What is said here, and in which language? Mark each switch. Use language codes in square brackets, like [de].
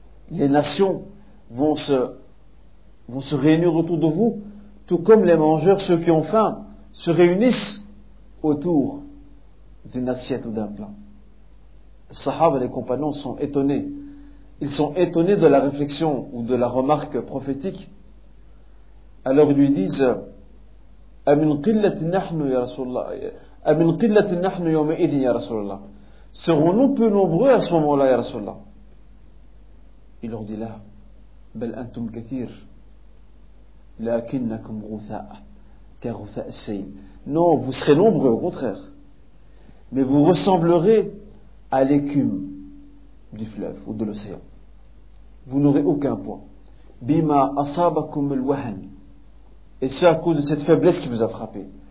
[fr] Les nations vont se réunir autour de vous, tout comme les mangeurs, ceux qui ont faim, se réunissent autour d'une assiette ou d'un plat. Les sahabes et les compagnons sont étonnés. Ils sont étonnés de la réflexion ou de la remarque prophétique. Alors ils lui disent: [ar] أمن قلة نحن يا رسول الله أمن قلة نحن يومئذ يا رسول الله. [fr] Serons-nous peu nombreux à ce moment-là, [ar] يا رسول الله. [fr] Il leur dit là: [ar] بل أنتم كثير لكنكم غثاء كغثاء السيل. [fr] Non, vous serez nombreux, au contraire. Mais vous ressemblerez à l'écume du fleuve ou de l'océan. Vous n'aurez aucun poids. [ar] بما أصابكم الوهن. [fr] Et c'est à cause de cette faiblesse qui vous a frappé.